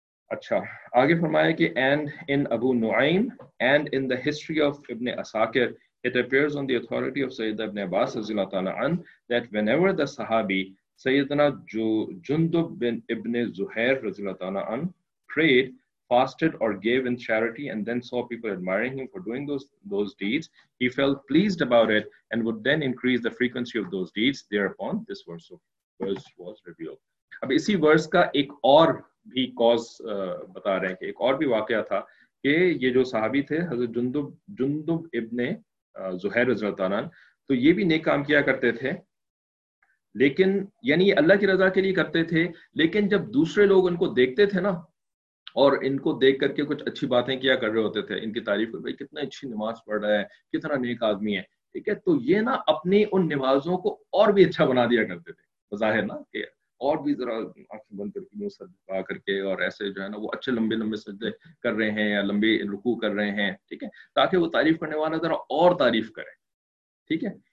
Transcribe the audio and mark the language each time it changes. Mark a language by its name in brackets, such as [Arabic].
[Hindi] अच्छा, आगे फरमाया कि [English] And in Abu Nuaim and in the history of Ibn Asakir it appears on the authority of Sayyid Ibn Abbas रज़ियल्लाहु तआला अन that whenever the सहाबी Sayyiduna Jundub bin Ibn Zuhair रज़ियल्लाहु तआला अन prayed fasted or gave in charity and then saw people admiring him for doing those deeds, he felt pleased about it and would then increase the frequency of those deeds. Thereupon this verse was revealed. [Hindi] ab isi verse ka ek aur bhi cause bata rahe hain ki ek aur bhi waqia tha ki ye jo sahabi the Hazrat Jundub ibn Zuhair radhiyallahu anhu to ye bhi nek kaam kiya karte the lekin yani ye Allah ki raza ke liye karte the lekin jab dusre log unko dekhte the na और इनको देख करके कुछ अच्छी बातें किया कर रहे होते थे, इनकी तारीफ कर, भाई कितना अच्छी नमाज पढ़ रहा है, कितना नेक आदमी है, ठीक है। तो ये ना अपनी उन नमाजों को और भी अच्छा बना दिया करते थे, जाहिर ना कि और भी जरा आंखें बंद करके मुंह सजा करके और ऐसे जो है ना वो अच्छे लंबे लंबे सजदे कर रहे हैं या लंबे रुकू कर रहे हैं, ठीक है, ताकि वो तारीफ करने वाला जरा और तारीफ करे, ठीक है।